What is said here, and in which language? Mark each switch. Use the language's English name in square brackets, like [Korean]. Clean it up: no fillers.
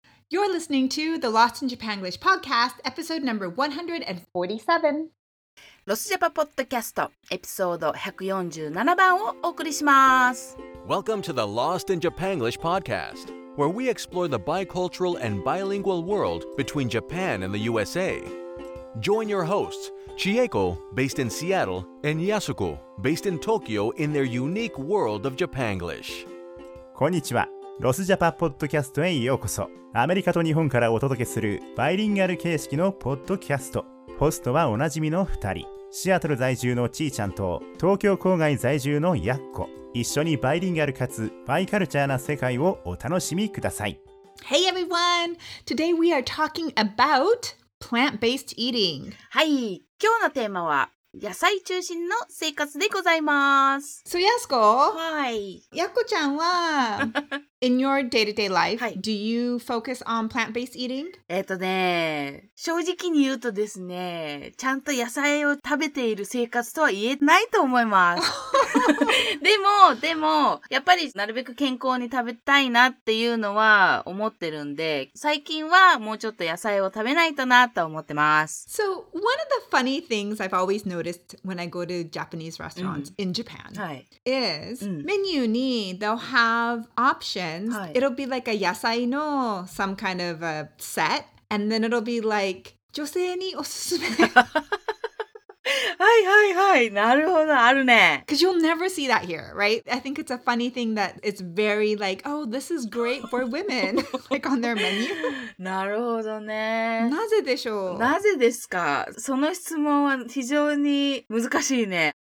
[English] You're listening to the Lost in Japanglish podcast, episode number 147. [Japanese] ロスジャパポッドキャスト、エピソード147番をお送りします。 [English] Welcome to the Lost in Japanglish podcast, where we explore the bicultural and bilingual world between Japan and the USA. Join your hosts, Chieko, based in Seattle, and Yasuko, based in Tokyo, in their unique world of Japanglish. [Japanese] こんにちは。ロスジャパポッドキャストへようこそ。アメリカと日本からお届けするバイリンガル形式のポッドキャスト。ホストはおなじみの2人、シアトル在住のちーちゃんと東京郊外在住のやっこ。一緒にバイリンガルかつバイカルチャーな世界をお楽しみください。 [English] Hey everyone! Today we are talking about plant-based eating. [Japanese] はい、今日のテーマは野菜中心の生活でございます。 [English] So Yasuko? [Japanese] はい。 [English] Yasuko-chan は In your day-to-day life,、はい、do you focus on plant-based eating? [Japanese] 正直に言うとですね、ちゃんと野菜を食べている生活とは言えないと思います。でもやっぱりなるべく健康に食べたいなっていうのは思ってるんで、最近はもうちょっと野菜を食べないとなと思ってます。 [English] So one of the funny things I've always noticed when I go to Japanese restaurants、うん、in Japan、 [Japanese] はい、 [English] is、うん、menu に they'll have options、はい、it'll be like a 野菜の some kind of a set and then it'll be like [Japanese] 女性におすすめはいはいはい、なるほど、あるね。 [English] Because you'll never see that here, right? I think it's a funny thing that it's very like, oh, this is great for women, like on their menu. [Japanese] なるほどね。なぜでしょう？なぜですか？その質問は非常に難しいね。